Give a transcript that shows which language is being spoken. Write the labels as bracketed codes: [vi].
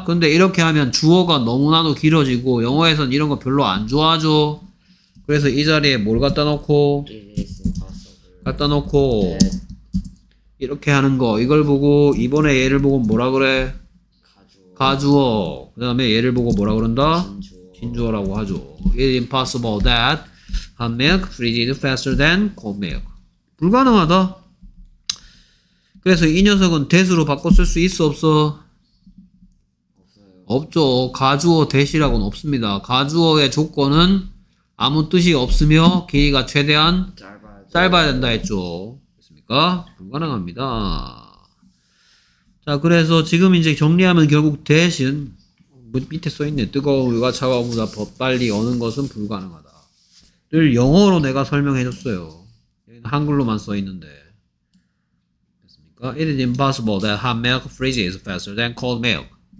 [ko] 근데 이렇게 하면 주어가 너무나도 길어지고 영어에선 이런 거 별로 안 좋아하죠. 그래서 이 자리에 뭘 갖다 놓고 갖다 놓고 이렇게 하는 거 이걸 보고 이번에 얘를 보고 뭐라 그래? 가주어. 그 다음에 얘를 보고 뭐라 그런다? 진주어라고 하죠. [en] It's impossible that hot milk freezes faster than cold milk. [ko] 불가능하다. 그래서 이 녀석은 that으로 바꿔 쓸 수 있어 없어? 없죠. 가주어 that이라고는 없습니다. 가주어의 조건은 아무 뜻이 없으며 길이가 최대한 짧아야 된다 했죠. 불가능합니다. 자 그래서 지금 이제 정리하면 결국 대신 밑에 써있네. 뜨거운가 차가운가 빨리 어는 것은 불가능하다. 늘 영어로 내가 설명해줬어요. 여기는 한글로만 써있는데. 됐습니까? [en] It is impossible that hot milk freezes faster than cold milk.